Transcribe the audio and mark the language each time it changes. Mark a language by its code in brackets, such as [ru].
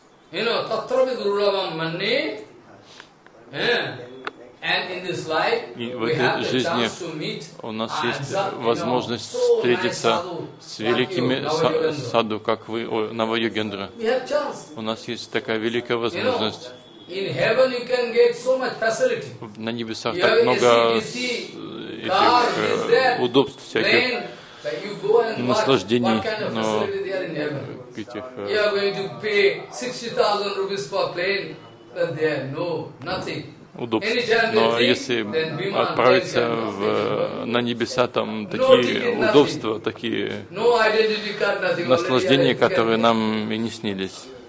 [ru] И в этой жизни у нас есть возможность встретиться с великими саду, как вы, Навайогендра. У нас есть такая великая возможность. [en] In heaven you can get so much facility. [ru] На небесах так много этих удобств всяких, наслаждений, но этих. [en] You are going to pay 60,000 rupees for plane, but there no nothing. [ru] Удобств. Но если отправиться в, на небеса, там такие удобства, такие наслаждения, которые нам и не снились.